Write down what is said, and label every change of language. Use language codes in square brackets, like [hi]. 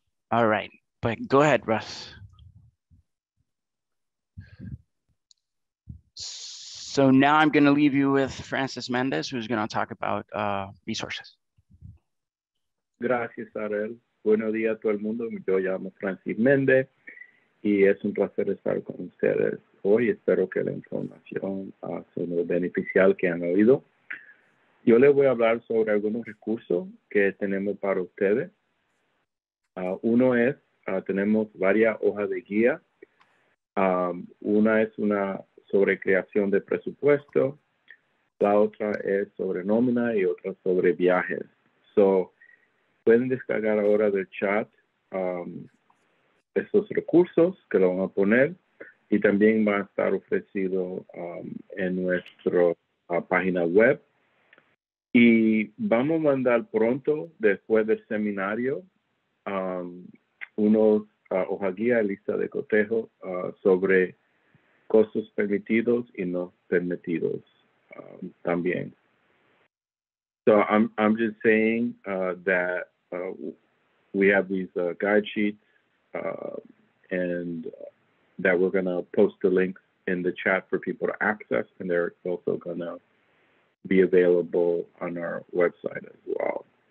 [en] All right, but go ahead, Russ. So now I'm going to leave you with Francis Mendez, who's going to talk about resources. [es] Gracias, Ariel. Buenos días a todo el mundo. Yo llamo Francis Méndez y es un placer estar con ustedes hoy. Espero que la información sea beneficial que han oído. Yo les voy a hablar sobre algunos recursos que tenemos para ustedes. Uno es, tenemos varias hojas de guía. Una es una sobre creación de presupuesto. La otra es sobre nómina y otra sobre viajes. So, pueden descargar ahora del chat estos recursos que lo van a poner, y también va a estar ofrecido en nuestra página web. Y vamos a mandar pronto, después del seminario, unos hoja guía, lista de cotejo sobre costos permitidos y no permitidos también. [en] So I'm just saying that we have these guide sheets and that we're going to post the links in the chat for people to access, and they're also going to be available on our website as well.